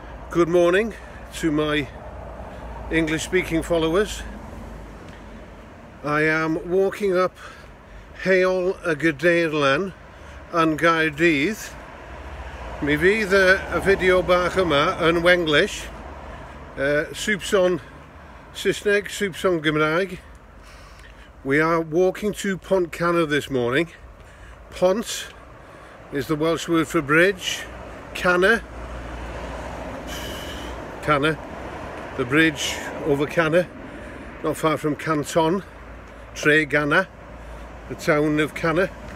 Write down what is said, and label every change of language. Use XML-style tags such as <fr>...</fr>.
<en>Good morning to my English speaking followers. I am walking up Heol y Gadeirlan</en> <cy>yn Gaerdydd. Mi fydd y fideo bach yma yn Wenglish. Swps on Saesneg, swps on Gymraeg.</cy> <en>We are walking to Pontcanna this morning. Pont is the Welsh word for bridge. Canna, the bridge over Canna, not far from Canton, Tregana, the town of Canna.</en>